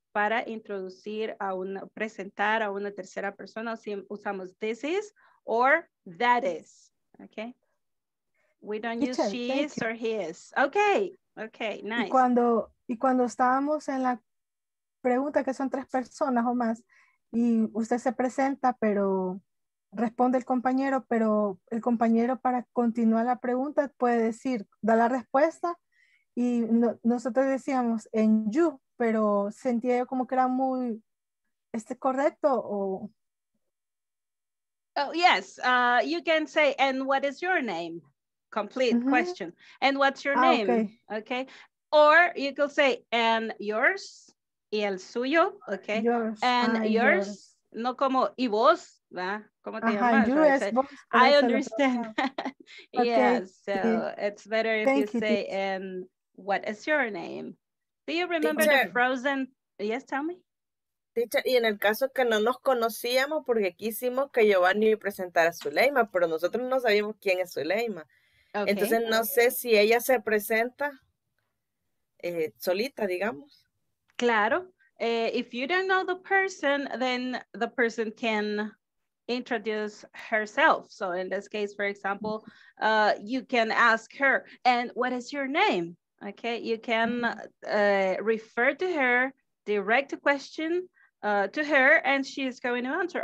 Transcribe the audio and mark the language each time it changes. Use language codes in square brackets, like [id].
[es] Para introducir a una, presentar a una tercera persona, si usamos [en] this is or that is, [es] okay? [en] We don't use she is or he is. Okay, okay, nice. [es] Y cuando estábamos en la pregunta que son tres personas o más y usted se presenta, pero responde el compañero, pero el compañero para continuar la pregunta puede decir, da la respuesta y no, nosotros decíamos en you, pero sentía yo como que era muy, ¿este correcto o? [en] Oh, yes, you can say, and what is your name? Complete question. And what's your name? Okay. Or you could say, and yours, [es] y el suyo, [en] okay? Yours. And yours, yes. [es] No como, y vos, ¿va? ¿Cómo te llamas? [en] You, yes, vos, I understand. Okay. Yes, so it's better if you say, and what is your name? Do you remember the frozen? Yes, tell me. [es] Teacher, y en el caso que no nos conocíamos, porque quisimos que Giovanni presentara a Suleyma, pero nosotros no sabíamos quién es Suleyma. Okay. Entonces, no sé si ella se presenta solita, digamos. [en] Claro. If you don't know the person, then the person can introduce herself. So in this case, for example, you can ask her, and what is your name? Okay, you can refer to her, direct a question to her, and she is going to answer.